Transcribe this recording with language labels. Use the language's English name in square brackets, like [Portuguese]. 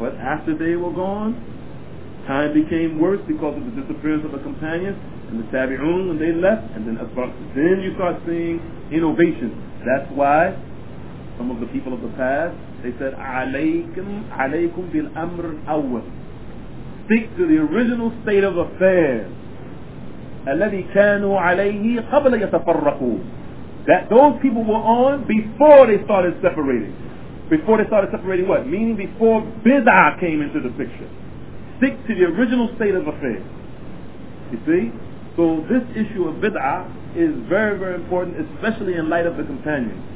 [English] But after they were gone, time became worse because of the disappearance of the companions and the tabi'un when they left. And then you start seeing innovation. That's why some of the people of the past, they said, [Arabic] عليكم بالأمر الأول. [English] Stick to the original state of affairs. [Arabic] الذي كانوا عليه قبل يتفرقوا. [English] That those people were on before they started separating. Before they started separating what? Meaning before bid'ah came into the picture. Stick to the original state of affairs. You see? So this issue of bid'ah is very, very important, especially in light of the companions.